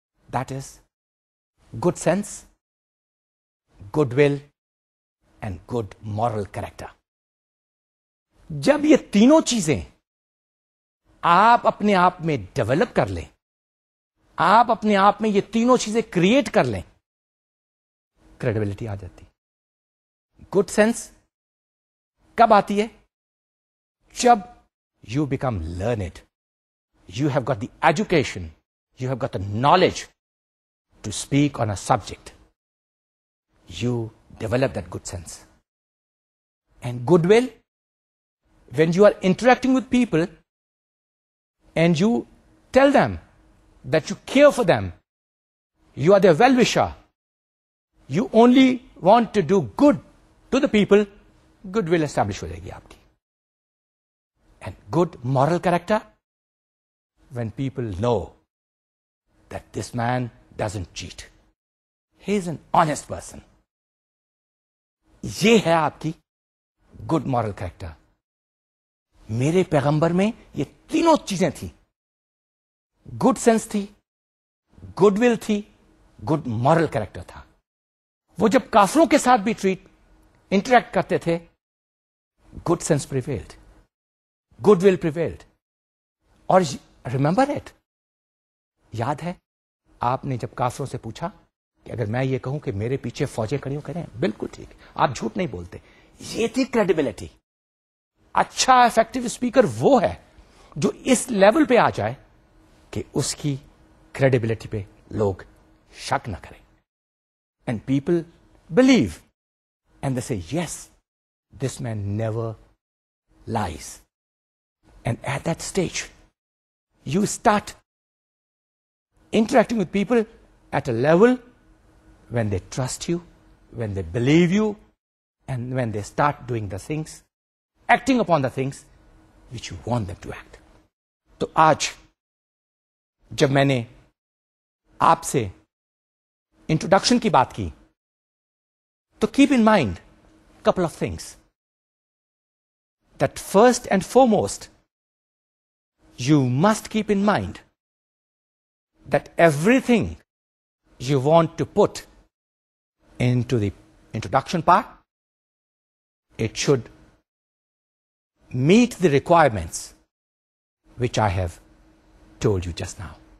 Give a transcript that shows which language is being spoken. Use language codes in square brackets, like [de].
[en] That is good sense, goodwill and good moral character. [ur] جب یہ تینوں چیزیں آپ اپنے آپ میں develop کر لیں, آپ اپنے آپ میں یہ تینوں چیزیں create کر لیں, credibility آ جاتی. [en] Good sense [ur] کب آتی ہے؟ جب [en] you become learned. You have got the education, you have got the knowledge to speak on a subject. You develop that good sense. And goodwill, when you are interacting with people and you tell them that you care for them, you are their well-wisher, you only want to do good to the people, goodwill establish [ur] ho jayegi aapki. [en] And good moral character, when people know that this man doesn't cheat, he is an honest person. [ur] یہ ہے آپ کی good moral character. میرے پیغمبر میں یہ تینوں چیزیں تھیں, good sense تھی, good will تھی, good moral character تھا. وہ جب کافروں کے ساتھ بھی ٹریٹ انٹریکٹ کرتے تھے, [en] good sense prevailed, good will prevailed. [ur] اور [en] remember it, [ur] یاد ہے آپ نے جب کافروں سے پوچھا کہ اگر میں یہ کہوں کہ میرے پیچھے فوجیں کھڑی کریں, بالکل ٹھیک, آپ جھوٹ نہیں بولتے. یہ تھی کریڈیبلٹی. اچھا افیکٹو اسپیکر وہ ہے جو اس لیول پہ آ جائے کہ اس کی کریڈیبلٹی پہ لوگ شک نہ کریں. [en] And people believe and they say yes this man never lies. And at that stage you start interacting with people at a level when they trust you, when they believe you, and when they start doing the things, acting upon the things which you want them to act. [ur] تو آج جب میں نے آپ سے introduction کی بات کی تو [en] Keep in mind couple of things. That first and foremost you must keep in mind that everything you want to put into the introduction part it should meet the requirements which I have told you just now.